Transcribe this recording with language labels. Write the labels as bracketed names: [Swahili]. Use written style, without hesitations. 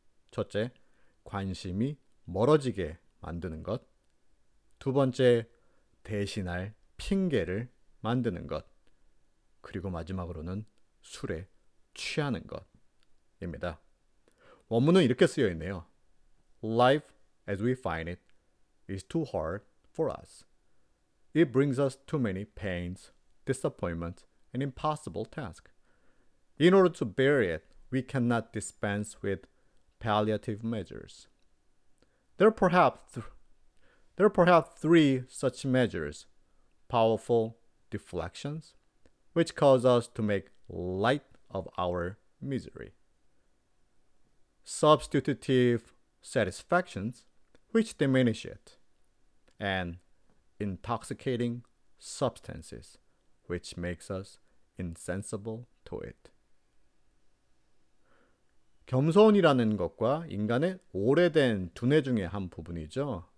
[Korean] 첫째, 관심이 멀어지게 만드는 것. 두 번째, 대신할 핑계를 만드는 것. 그리고 마지막으로는 술에 취하는 것입니다. 원문은 이렇게 쓰여 있네요. [English] Life as we find it is too hard for us. It brings us too many pains, disappointments, and impossible tasks. In order to bear it, we cannot dispense with palliative measures. There are perhaps three such measures: powerful deflections, which cause us to make light of our misery; substitutive satisfactions, which diminish it; and intoxicating substances, which makes us insensible to it. [Korean] 겸손이라는 것과 인간의 오래된 두뇌 중에 한 부분이죠.